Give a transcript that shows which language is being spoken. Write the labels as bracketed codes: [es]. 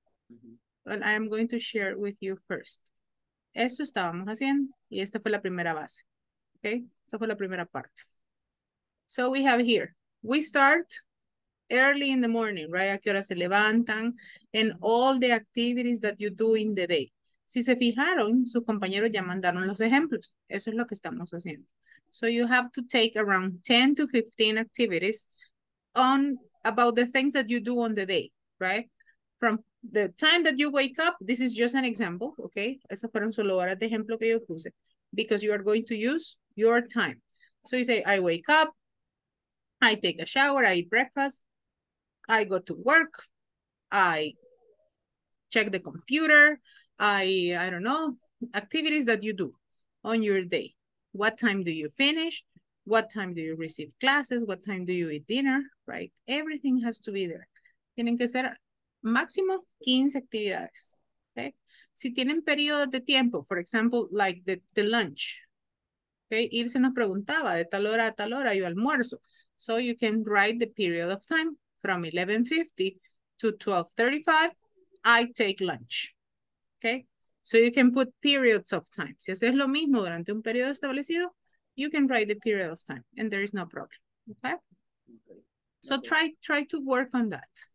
[en] Mm-hmm. Well, I am going to share with you first. [es] Eso estábamos haciendo y esta fue la primera base. [en] Okay? [es] Esta fue la primera parte. [en] So we have here, we start early in the morning, right? [es] ¿A qué hora se levantan? [en] And all the activities that you do in the day. [es] Si se fijaron, sus compañeros ya mandaron los ejemplos. Eso es lo que estamos haciendo. [en] So you have to take around 10 to 15 activities on about the things that you do on the day, right? From the time that you wake up, this is just an example, okay? Esas fueron solo horas de ejemplo que yo puse. Because you are going to use your time. So you say, I wake up. I take a shower. I eat breakfast. I go to work. I check the computer. I don't know, activities that you do on your day. What time do you finish? What time do you receive classes? What time do you eat dinner, right? Everything has to be there. [es] Tienen que ser máximo 15 actividades, okay? Si tienen periodo de tiempo, [en] for example, like the lunch, okay? [es] Irse nos preguntaba, de tal hora yo almuerzo. [en] So you can write the period of time from 11:50 to 12:35, I take lunch. Okay, so you can put periods of time. [es] Si haces lo mismo durante un periodo establecido, [en] you can write the period of time and there is no problem. Okay, so try to work on that.